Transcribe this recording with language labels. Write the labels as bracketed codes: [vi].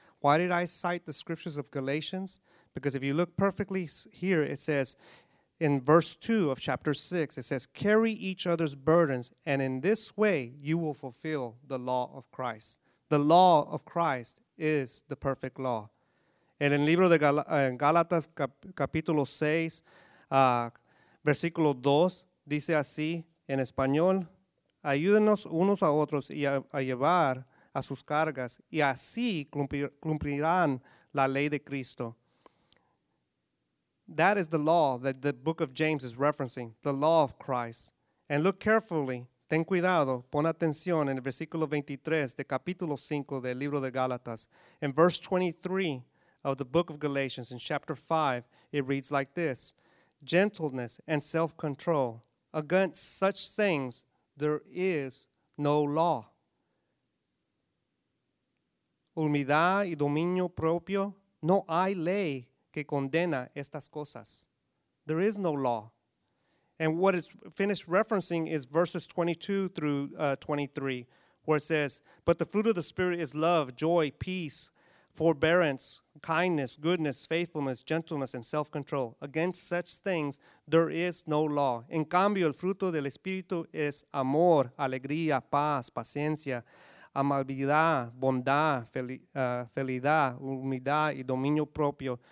[en] Why did I cite the scriptures of Galatians? Because if you look perfectly here, it says, In verse 2 of chapter 6, it says, carry each other's burdens, and in this way you will fulfill the law of Christ. The law of Christ is the perfect law. [es] En el libro de Gálatas, capítulo 6, versículo 2, dice así en español, ayúdenos unos a otros y a llevar a sus cargas, y así cumplirán la ley de Cristo. [en] That is the law that the book of James is referencing, the law of Christ. And look carefully, [es] ten cuidado, pon atención en el versículo 23 de capítulo 5 del libro de Gálatas. [en] In verse 23 of the book of Galatians, in chapter 5, it reads like this, gentleness and self-control. Against such things, there is no law. [es] Humildad y dominio propio, no hay ley que condena estas cosas. [en] There is no law. And what is finished referencing is verses 22 through 23, where it says, but the fruit of the Spirit is love, joy, peace, forbearance, kindness, goodness, faithfulness, gentleness, and self-control. Against such things, there is no law. [es] En cambio, el fruto del Espíritu es amor, alegría, paz, paciencia, amabilidad, bondad, fidelidad, humildad y dominio propio.